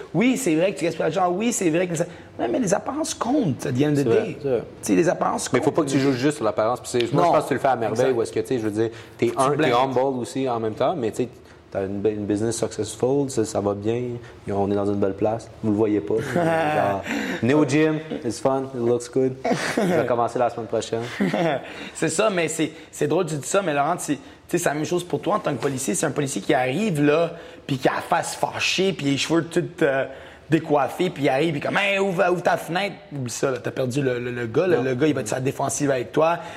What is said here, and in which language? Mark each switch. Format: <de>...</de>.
<fr>Oui, c'est vrai que tu gaspilles l'argent. Oui, c'est vrai que. Ouais, mais les apparences comptent, à</fr> <en>the end of the day.</en> <fr>Tu sais, les apparences comptent. Mais faut pas que tu joues juste sur l'apparence. Puis moi, je pense que tu le fais à merveille. Ou est-ce que, tu sais, je veux dire, t'es humble aussi en même temps, mais tu sais, t'as une business successful, ça va bien, on est dans une belle place, vous le voyez pas.</fr> <en>Genre, new gym, it's fun, it looks good.</en> <fr>Je vais commencer la semaine prochaine. C'est ça, mais c'est drôle que tu dis ça, mais Laurent, c'est la même chose pour toi en tant que policier. C'est un policier qui arrive là, puis qui a la face fâchée, puis les cheveux tout décoiffés, puis il arrive, puis comme, hey, ouvre ta fenêtre. Oublie ça, là, t'as perdu le gars. Le gars, il va être sur la défensive avec toi.</fr>